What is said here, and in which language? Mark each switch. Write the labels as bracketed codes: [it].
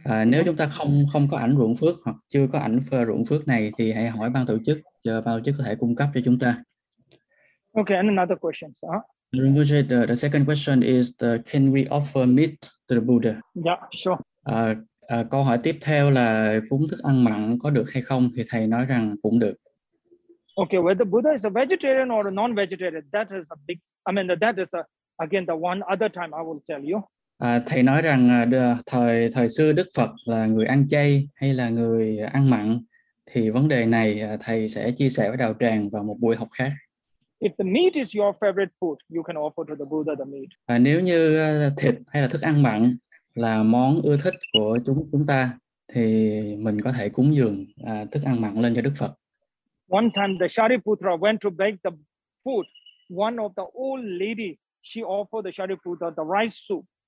[vi] Nếu chúng ta không có ảnh ruộng phước hoặc chưa có ảnh ruộng phước này thì hãy hỏi ban tổ chức, chờ ban tổ chức có thể cung cấp cho chúng ta. [en] Okay, and another question. The second question is can we offer meat to the Buddha? Yeah, sure. [vi] Câu hỏi tiếp theo là cúng thức ăn mặn có được hay không thì thầy nói rằng cũng được. [en] Okay, whether Buddha is a vegetarian or a non-vegetarian, that is a big. I mean, that is a, again the one other time I will tell you. [vi] Thầy nói rằng thời xưa Đức Phật là người ăn chay hay là người ăn mặn thì vấn đề này thầy sẽ chia sẻ với đạo tràng vào một buổi học khác. [en] If the meat is your favorite food, you can offer to the Buddha the meat. [vi] Nếu như thịt hay là thức ăn mặn là món ưa thích của chúng ta thì mình có thể cúng dường thức ăn mặn lên cho Đức Phật. [en] One time the Shariputra went to bake the food. One of the old lady, she offered the Shariputra the rice soup.